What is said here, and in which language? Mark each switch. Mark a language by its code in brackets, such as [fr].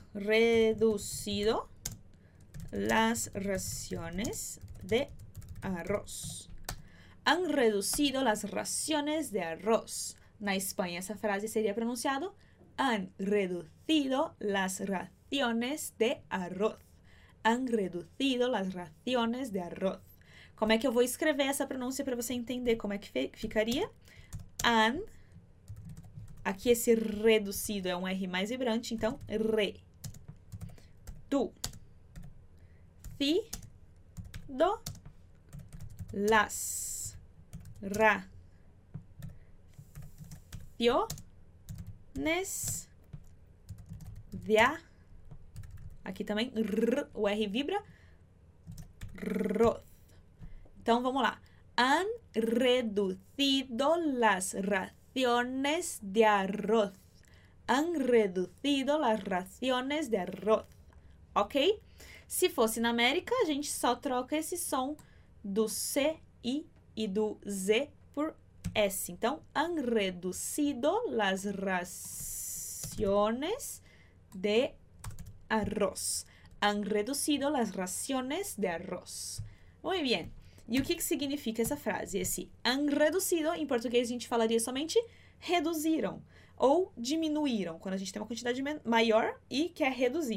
[es] Reducido las raciones de arroz. Han reducido las raciones de arroz. [pt] Na Espanha, essa frase seria pronunciada [es] Han reducido las raciones de arroz. Han reducido las raciones de arroz. [pt] Como é que eu vou escrever essa pronúncia para você entender como é que ficaria? Han. Aqui esse reducido é um R mais vibrante, então re. Tu. Ci. Do. Las. Ra. [es] Raciones de arroz. [pt] Aqui também, rr, o R vibra. Arroz. Então, vamos lá. [es] Han reducido las raciones de arroz. Han reducido las raciones de arroz. Ok? [pt] Se fosse na América, a gente só troca esse som do C, I e do Z por S. [es] Então, han reducido las raciones de arroz. Han reducido las raciones de arroz. Muy bien. [pt] E o que significa essa frase? Esse [es] han reducido, [pt] em português a gente falaria somente reduziram ou diminuíram, quando a gente tem uma quantidade maior e quer reduzir.